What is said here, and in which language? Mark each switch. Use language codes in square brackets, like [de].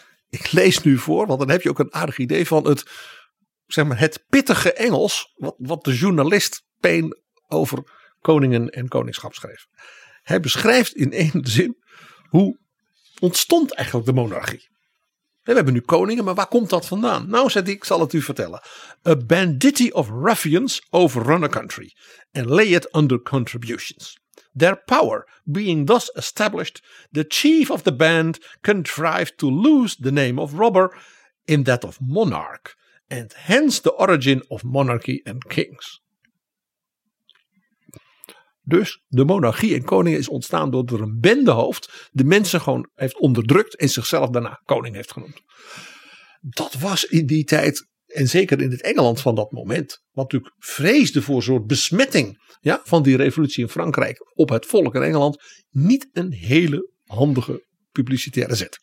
[nl] Ik lees nu voor, want dan heb je ook een aardig idee van het, zeg maar, het pittige Engels wat de journalist Paine over koningen en koningschap schreef. Hij beschrijft in één zin hoe ontstond eigenlijk de monarchie. We hebben nu koningen, maar waar komt dat vandaan? Nou, zei hij, ik zal het u vertellen. [en] A banditti of ruffians overrun a country and lay it under contributions. Their power being thus established, the chief of the band contrived to lose the name of robber in that of monarch, and hence the origin of monarchy and kings. [nl] Dus de monarchie en koningen is ontstaan doordat een bendehoofd de mensen gewoon heeft onderdrukt en zichzelf daarna koning heeft genoemd. Dat was in die tijd, en zeker in het Engeland van dat moment, wat natuurlijk vreesde voor een soort besmetting, ja, van die revolutie in Frankrijk op het volk in Engeland, niet een hele handige publicitaire zet.